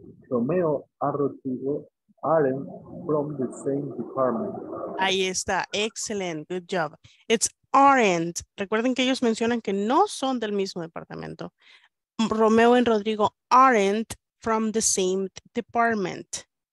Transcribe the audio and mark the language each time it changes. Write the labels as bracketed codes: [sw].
[en] Romeo and Rodrigo are from the same department. [es] Ahí está. [en] Excellent. Good job. It's aren't. [es] Recuerden que ellos mencionan que no son del mismo departamento. [en] Romeo and Rodrigo aren't from the same department.